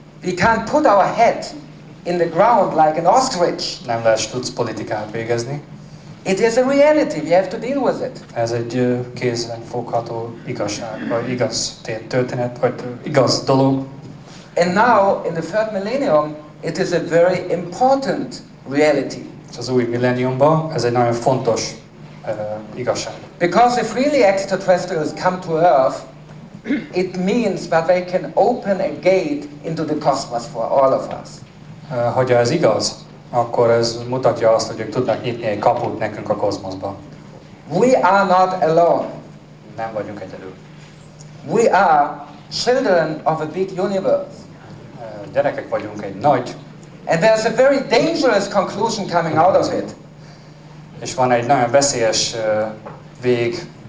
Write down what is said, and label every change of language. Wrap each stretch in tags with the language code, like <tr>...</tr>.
<en>We can't put our head in the ground like an ostrich.</en> <hu>Nem lehet stutz politikát végezni.</hu> <en>It is a reality, we have to deal with it.</en> <hu>Ez egy kézen fogható igazság, vagy igaz történet, vagy igaz dolog.</hu> <en>And now, in the third millennium, it is a very important reality.</en> <hu>És az új millenniumban ez egy nagyon fontos igazság.</hu> <en>Because if really extraterrestrials come to Earth, it means that they can open a gate into the cosmos for all of us.</en> <hu>Hogyha ez igaz, akkor ez mutatja azt, hogy ők tudnak nyitni egy kaput nekünk a kozmoszba.</hu> <en>We are not alone.</en> <hu>Nem vagyunk egyedül.</hu> <en>We are children of a big universe.</en> <hu>Gyerekek vagyunk egy nagy.</hu> <en>And there's a very dangerous conclusion coming out of it.</en> <hu>És van egy nagyon veszélyes vég.</hu>